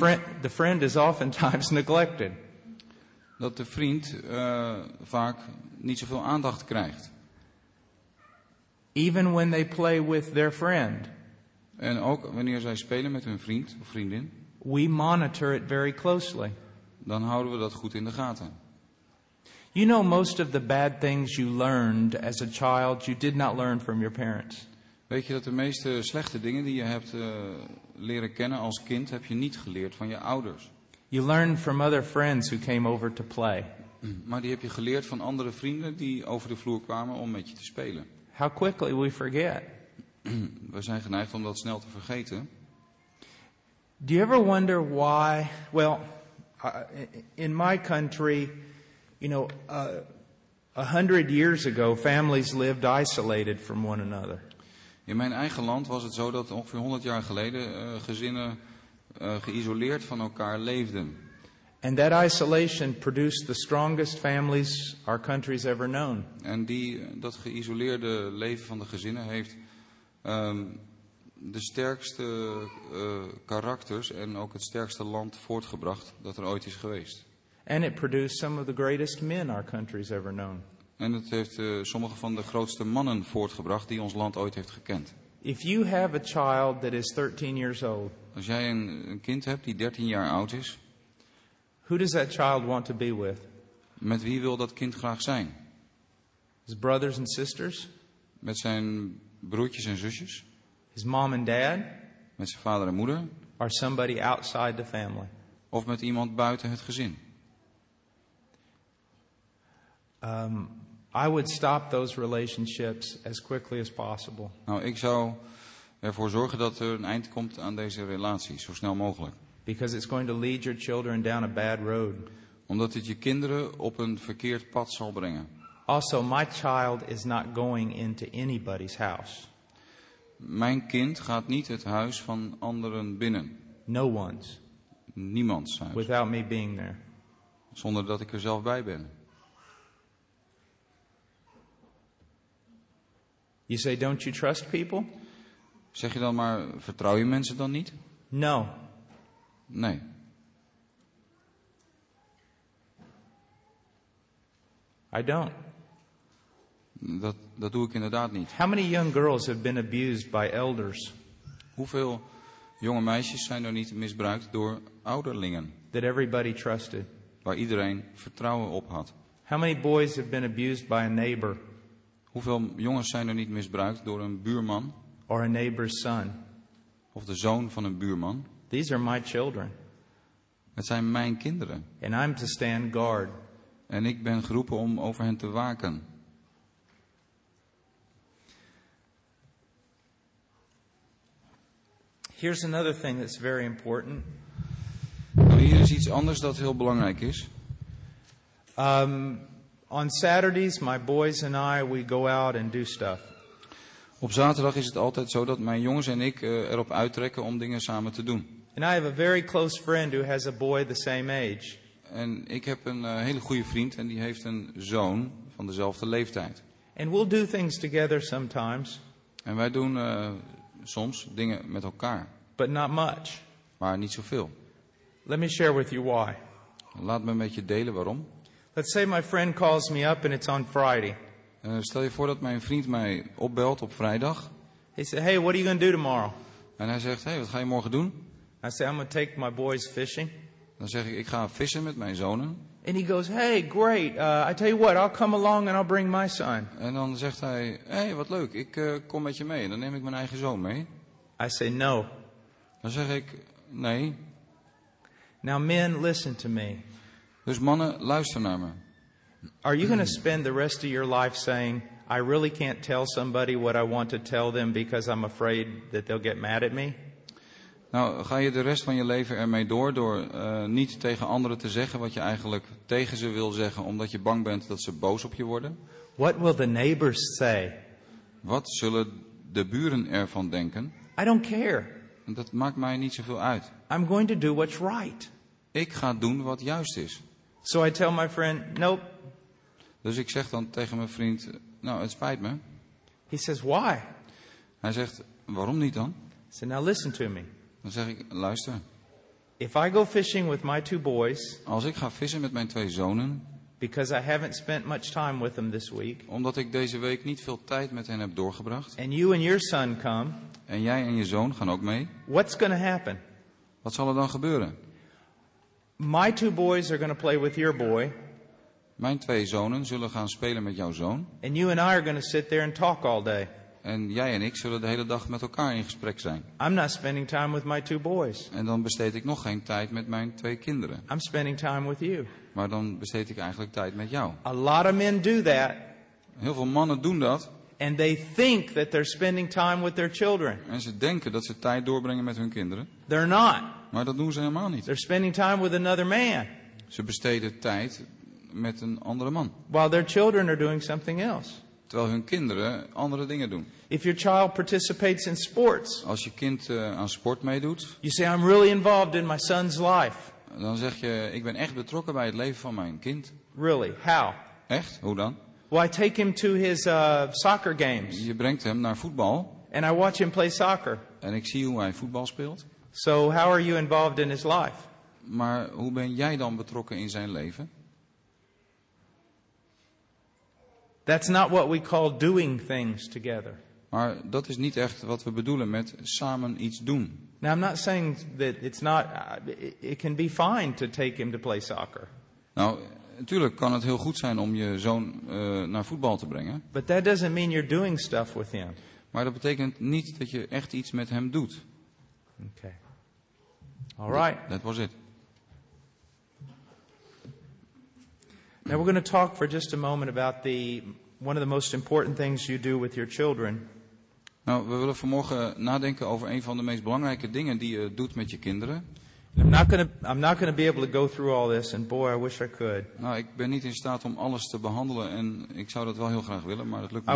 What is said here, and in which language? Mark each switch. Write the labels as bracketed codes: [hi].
[en] That the friend is oftentimes neglected. [nl] Dat de vriend vaak niet zoveel aandacht krijgt. [en] Even when they play with their friend. [nl] En ook wanneer zij spelen met hun vriend of vriendin. [en] We monitor it very closely. [nl] Dan houden we dat goed in de gaten. [en] You know, most of the bad things you learned as a child, you did not learn from your parents. [nl] Weet je dat de meeste slechte dingen die je hebt leren kennen als kind, heb je niet geleerd van je ouders. [en] You learn from other friends who came over to play. [nl] Maar die heb je geleerd van andere vrienden die over de vloer kwamen om met je te spelen. [en] How quickly we forget. [nl] We zijn geneigd om dat snel te vergeten. [en] Do you ever wonder why? Well, in my country, you know, 100 years ago, families lived isolated from one another. [nl] In mijn eigen land was het zo dat ongeveer 100 jaar geleden gezinnen geïsoleerd van elkaar leefden. [en] And that isolation produced the strongest families our country's ever known. [nl] En dat geïsoleerde leven van de gezinnen heeft de sterkste karakters en ook het sterkste land voortgebracht dat er ooit is geweest. [en] And it produced some of the greatest men our country's ever known. [nl] En het heeft sommige van de grootste mannen voortgebracht die ons land ooit heeft gekend. [en] If you have a child that is 13 years old. [nl] Als jij een kind hebt die 13 jaar oud is. [en] Who does that child want to be with? [nl] Met wie wil dat kind graag zijn? [en] His brothers and sisters? [nl] Met zijn broertjes en zusjes? [en] His mom and dad? [nl] Met zijn vader en moeder? [en] Or somebody outside the family? [nl] Of met iemand buiten het gezin? [en] I would stop those relationships as quickly as possible. [nl] Nou, ik zou ervoor zorgen dat er een eind komt aan deze relatie, zo snel mogelijk. [en] Because it's going to lead your children down a bad road. [nl] Omdat het je kinderen op een verkeerd pad zal brengen. [en] Also, my child is not going into anybody's house. [nl] Mijn kind gaat niet het huis van anderen binnen. [en] No one's. [nl] Niemands huis. [en] Without me being there. [nl] Zonder dat ik er zelf bij ben. [en] You say, don't you trust people? [nl] Zeg je dan maar, vertrouw je mensen dan niet? [en] No. [nl] Nee. [en] I don't. [nl] Dat doe ik inderdaad niet. [en] How many young girls have been abused by elders? [nl] Hoeveel jonge meisjes zijn er niet misbruikt door ouderlingen? [en] That everybody trusted. [nl] Waar iedereen vertrouwen op had. [en] How many boys have been abused by a neighbor? [nl] Hoeveel jongens zijn er niet misbruikt door een buurman? [en] Or a neighbor's son? [nl] Of de zoon van een buurman? [en] These are my children. [nl] Het zijn mijn kinderen. [en] And I'm to stand guard. [nl] En ik ben geroepen om over hen te waken. [en] Here's another thing that's very important. [nl] Nou, hier is iets anders dat heel belangrijk is. [en] On Saturdays, my boys and I, we go out and do stuff. [nl] Op zaterdag is het altijd zo dat mijn jongens en ik erop uittrekken om dingen samen te doen. [en] And I have a very close friend who has a boy the same age. [nl] En ik heb een hele goede vriend en die heeft een zoon van dezelfde leeftijd. [en] And we'll do things together sometimes. [nl] En wij doen soms dingen met elkaar. [en] But not much. [nl] Maar niet zoveel. [en] Let me share with you why. [nl] Laat me met je delen waarom. [en] Let's say my friend calls me up and it's on Friday. [nl] Stel je voor dat mijn vriend mij opbelt op vrijdag. [en] He said, "Hey, what are you going to do tomorrow?" [nl] En hij zegt, "Hey, wat ga je morgen doen?" [en] I say, "I'm going to take my boys fishing." [nl] Dan zeg ik, "Ik ga vissen met mijn zonen." [en] And he goes, "Hey, great. I tell you what, I'll come along and I'll bring my son." [nl] En dan zegt hij, "Hey, wat leuk. Ik kom met je mee. Dan neem ik mijn eigen zoon mee." [en] I say, "No." [nl] Dan zeg ik, "Nee." [en] Now, men, listen to me. [nl] Dus mannen, luister naar me. [en] Are you going to spend the rest of your life saying, "I really can't tell somebody what I want to tell them because I'm afraid that they'll get mad at me"? [nl] Nou, ga je de rest van je leven ermee door niet tegen anderen te zeggen wat je eigenlijk tegen ze wil zeggen, omdat je bang bent dat ze boos op je worden? [en] What will the neighbors say? [nl] Wat zullen de buren ervan denken? [en] I don't care. [nl] En dat maakt mij niet zoveel uit. [en] I'm going to do what's right. [nl] Ik ga doen wat juist is. [en] So I tell my friend, "Nope." [nl] Dus ik zeg dan tegen mijn vriend, "Nou, het spijt me." [en] He says, "Why?" [nl] Hij zegt, "Waarom niet dan?" [en] I say, "Now listen to me." [nl] Dan zeg ik, "Luister. [en] If I go fishing with my two boys, [nl] als ik ga vissen met mijn twee zonen, [en] because I haven't spent much time with them this week, [nl] omdat ik deze week niet veel tijd met hen heb doorgebracht, [en] and you and your son come, [nl] en jij en je zoon gaan ook mee, [en] what's going to happen? [nl] Wat zal er dan gebeuren? [en] My two boys are going to play with your boy. [nl] Mijn twee zonen zullen gaan spelen met jouw zoon. [en] And you and I are going to sit there and talk all day. [nl] En jij en ik zullen de hele dag met elkaar in gesprek zijn. [en] I'm not spending time with my two boys. [nl] En dan besteed ik nog geen tijd met mijn twee kinderen. [en] I'm spending time with you. [nl] Maar dan besteed ik eigenlijk tijd met jou. [en] A lot of men do that. [nl] Heel veel mannen doen dat. [en] And they think that they're spending time with their children. [nl] En ze denken dat ze tijd doorbrengen met hun kinderen. [en] They're not. [nl] Maar dat doen ze helemaal niet. [en] They're spending time with another man. [nl] Ze besteden tijd met een andere man. [en] While their children are doing something else. [nl] Terwijl hun kinderen andere dingen doen. [en] If your child participates in sports. [nl] Als je kind aan sport meedoet. [en] You say, "I'm really involved in my son's life." [nl] Dan zeg je, ik ben echt betrokken bij het leven van mijn kind. [en] Really? How? [nl] Echt? Hoe dan? [en] Well, I take him to his soccer games. [nl] Je brengt hem naar voetbal. [en] And I watch him play soccer. [nl] En ik zie hoe hij voetbal speelt. [en] So how are you involved in his life? [nl] Maar hoe ben jij dan betrokken in zijn leven? [en] That's not what we call doing things together. [nl] Maar dat is niet echt wat we bedoelen met samen iets doen. [en] Now I'm not saying that it's not it can be fine to take him to play soccer. [nl] Nou, natuurlijk kan het heel goed zijn om je zoon naar voetbal te brengen. [en] But that doesn't mean you're doing stuff with him. [nl] Maar dat betekent niet dat je echt iets met hem doet. [en] Okay. All right. That was it. Now we're going to talk for just a moment about the one of the most important things you do with your children. [nl] Nou, we willen vanmorgen nadenken over een van de meest belangrijke dingen die je doet met je kinderen. [en] I'm not gonna be able to go through all this, and boy, I wish I could. [nl] Nou, ik ben niet in staat om alles te behandelen, en ik zou dat wel heel graag willen, maar dat lukt niet.